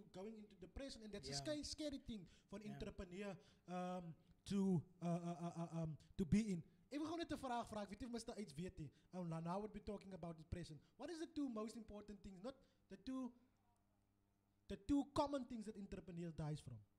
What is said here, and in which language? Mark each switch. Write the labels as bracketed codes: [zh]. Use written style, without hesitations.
[en] going into depression, and that's a scary thing for an entrepreneur to be in. [af] Ek wil gewoon net 'n vraag vra. Ek weet nie of mens daar iets weet nie. [en] Now we'll be talking about depression. What is the two most important things? Not the two common things that entrepreneurs dies from.